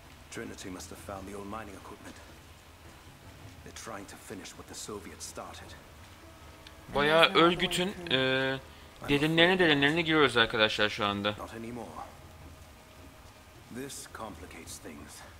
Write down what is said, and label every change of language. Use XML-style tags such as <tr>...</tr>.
<en>Trinity must have found the old mining equipment. They're trying to finish what the Soviets started.</en> <tr>Bayağı örgütün derinlerine giriyoruz arkadaşlar şu anda.</tr> <en>Not anymore. This complicates things.</en>